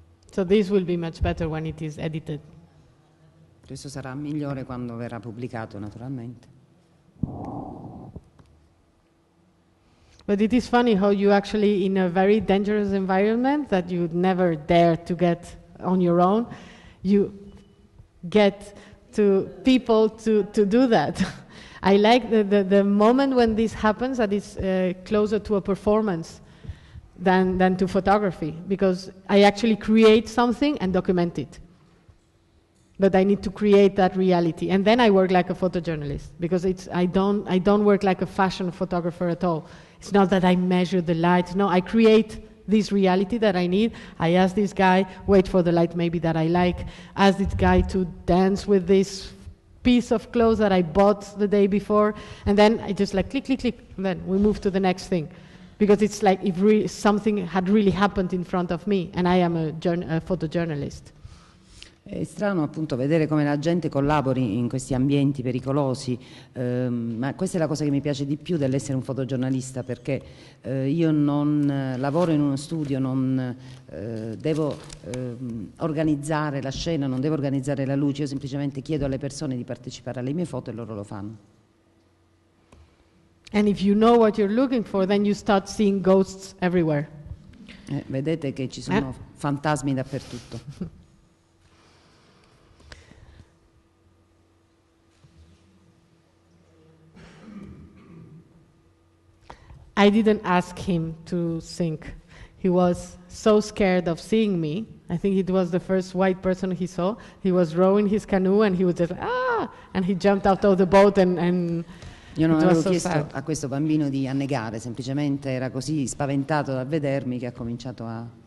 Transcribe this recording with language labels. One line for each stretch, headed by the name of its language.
English: So this will be much better when it is edited.
Italian: Questo sarà migliore quando verrà pubblicato, naturalmente.
English: But it is funny how you actually in a very dangerous environment that you would never dare to get on your own, you get to people to do that. I like the moment when this happens, that it's closer to a performance than to photography, because I actually create something and document it. But I need to create that reality. And then I work like a photojournalist, because I don't work like a fashion photographer at all. It's not that I measure the light. No, I create this reality that I need. I ask this guy, wait for the light maybe that I like. Ask this guy to dance with this piece of clothes that I bought the day before. And then I just like click, click, click. And then we move to the next thing. Because it's like if something had really happened in front of me, and I am a photojournalist.
Italian: È strano appunto vedere come la gente collabori in questi ambienti pericolosi, ma questa è la cosa che mi piace di più dell'essere un fotogiornalista, perché io non lavoro in uno studio, non devo organizzare la scena, non devo organizzare la luce, io semplicemente chiedo alle persone di partecipare alle mie foto e loro lo fanno.
English: And if you know what you're looking for, then you start seeing ghosts everywhere.
Italian: Vedete che ci sono fantasmi dappertutto.
English: I didn't ask him to sing. He was so scared of seeing me. I think it was the first white person he saw. He was rowing his canoe and he was just and he jumped out of the boat and
Italian: io non
English: it was
Italian: avevo
English: so
Italian: chiesto
English: sad.
Italian: A questo bambino di annegare, semplicemente era così spaventato dal vedermi che ha cominciato a